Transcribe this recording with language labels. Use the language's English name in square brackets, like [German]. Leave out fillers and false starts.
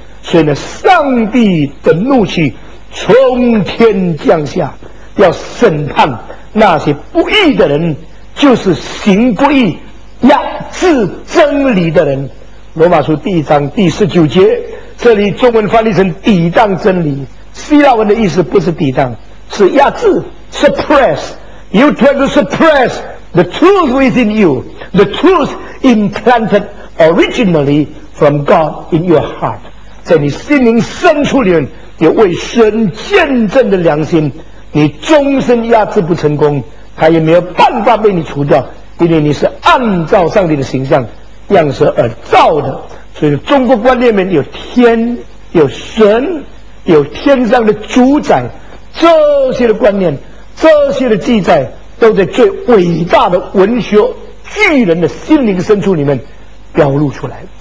[Chinese] 所以呢，上帝的怒气从天降下，要审判那些不义的人，就是行不义、压制真理的人。罗马书1:19，这里中文翻译成抵挡真理。希腊文的意思不是抵挡，是压制 suppress。 [English] You try to suppress the truth within you, the truth implanted originally from God in your heart. [Chinese] 在你心灵深处里面，有为神见证的良心，你终身压制不成功，他也没有办法被你除掉，因为你是按照上帝的形象样式而造的。所以中国观念里面有天、有神、有天上的主宰，这些的观念、这些的记载都在最伟大的文学巨人的心灵深处里面表露出来，